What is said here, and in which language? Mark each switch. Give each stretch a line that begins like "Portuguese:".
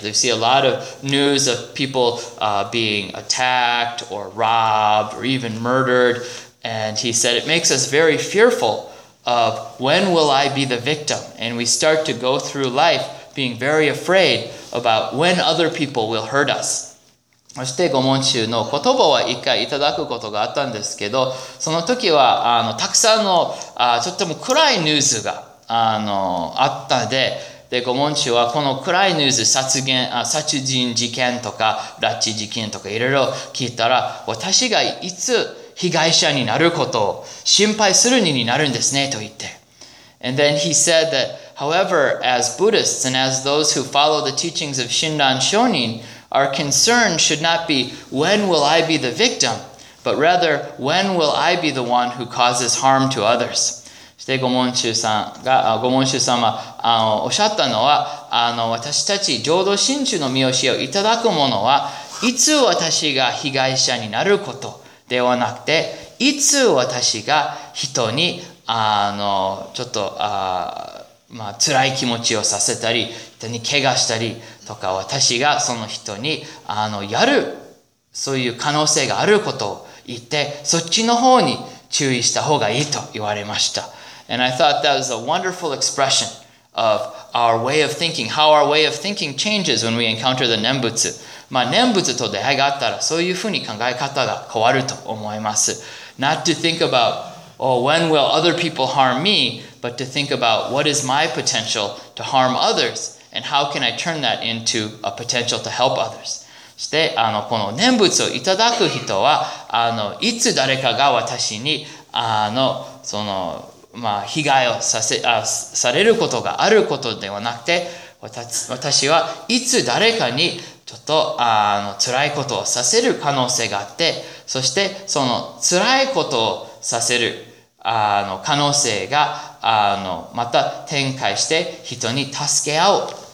English: We see a lot of news of people being attacked or robbed or even murdered. And he said, it makes us very fearful of when will I be the victim? And we start to go through life being very afraid about when other people will hurt us.
Japanese: そして、五門衆の言葉は一回いただくことがあったんですけど、その時は、たくさんの、とっても暗いニュースが、あったので、で、五門衆はこの暗いニュース、殺人事件とか、拉致事件とかいろいろ聞いたら、私がいつ被害者になることを心配するにになるんですね、と言って。
English: And then he said that, however, as Buddhists and as those who follow the teachings of Shinran Shonin,Our concern should not be when will I be the victim, but rather when will I be the one who causes harm to others.
Japanese: そして五門衆様がおっしゃったのは、私たち浄土真宗の御教えをいただく者は、いつ私が被害者になることではなくて、いつ私が人にちょっと辛い気持ちをさせたり、人に怪我したり。とか私がその人にやるそういう可能性があることを言ってそっちの方に注意した方がいいと言われました。
English: And I thought that was a wonderful expression of our way of thinking, how our way of thinking changes when we encounter the 念仏。
Japanese: まあ念仏と出会いがあったらそういうふうに考え方が変わると思います。
English: Not to think about, oh, when will other people harm me, but to think about what is my potential to harm others. And how can I turn that into a potential to help others?
Japanese: そして、この念仏をいただく人は、いつ誰かが私に、被害をされることがあることではなくて、私はいつ誰かにちょっと、辛いことをさせる可能性があって、そして、その辛いことをさせる、可能性が、また展開して人に助け合おう。